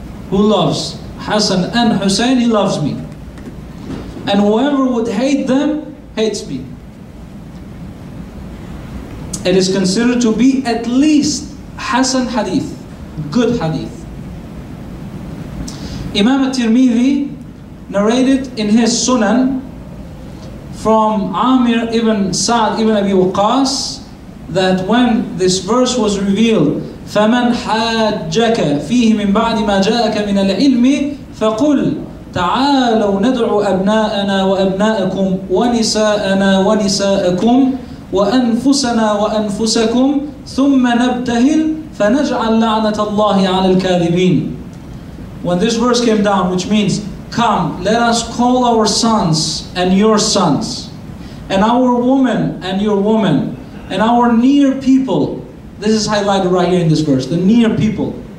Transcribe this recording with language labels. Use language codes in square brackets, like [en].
[en] Who loves Hassan and Hussein, he loves me. And whoever would hate them, hates me. It is considered to be at least Hassan hadith, good hadith. Imam At-Tirmidhi narrated in his Sunan from Amir ibn Sa'd ibn Abi Waqas that when this verse was revealed, [ar] فَمَنْ حَاجَّكَ فِيهِ مِنْ بَعْدِ مَا جَاءَكَ مِنَ الْعِلْمِ فَقُلْ تَعَالَوْ نَدْعُ أَبْنَاءَنَا وَأَبْنَاءَكُمْ وَنِسَاءَنَا وَنِسَاءَكُمْ وَأَنفُسَنَا وَأَنفُسَكُمْ ثُمَّ نَبْتَهِلْ فَنَجْعَلْ لَعْنَةَ اللَّهِ عَلَى الْكَاذِبِينَ. [en] When this verse came down, which means, come, let us call our sons and your sons, and our women and your women, and our near people. This is highlighted right here in this verse, the near people.